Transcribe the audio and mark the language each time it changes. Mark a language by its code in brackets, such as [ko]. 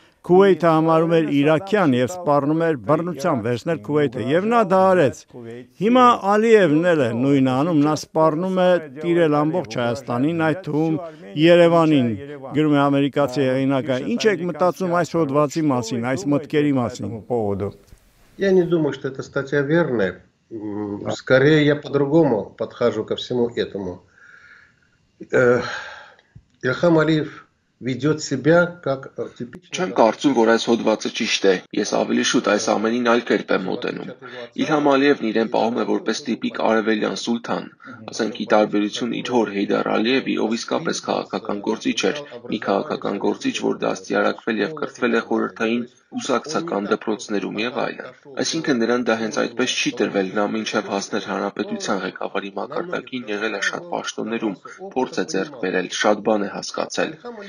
[hy] Քուվեյթը համարում էր Իրաքյան եւ սպառնում էր բռնության վերցնել Քուվեյթը եւ նա դա արեց։ Հիմա Ալիևն էլ է նույնն անում, նա սպառնում է տիրել ամբողջ Հայաստանին, այդ թվում Երևանին, գրում է ամերիկացի հեղինակը։ Ինչ եք մտածում այս հոդվածի մասին, այս մտքերի մասին? [ru] Я не думаю, что эта статья верная. Скорее, я по-другому подхожу ко всему этому. Ильхам Алиев ведет себя как типичный... [hy] Чем кажется, что это хотвац чисте? Я ավելի շուտ այս ամենին այլ կերպ եմ մոտենում. Ильхам Алиевն իրեն պահում է որպես տիպիկ արևելյան սուլթան, ասենք ի տարբերություն իր հոր Հեյդար Ալիևի, ով իսկապես քաղաքական գործիչ էր, մի քաղաքական գործիչ, որ դաստիարակվել եւ կրթվել է խորհրդային ուսակցական դպրոցներում եւ այլն։ Այսինքն նրան դա հենց այդպես չի տրվել, նա մինչեւ հասներ հանրապետության ղեկավարի մակարդակին եղել է շատ պաշտոններում, փորձ է ձեռք բերել, շատ բան է հասկացել։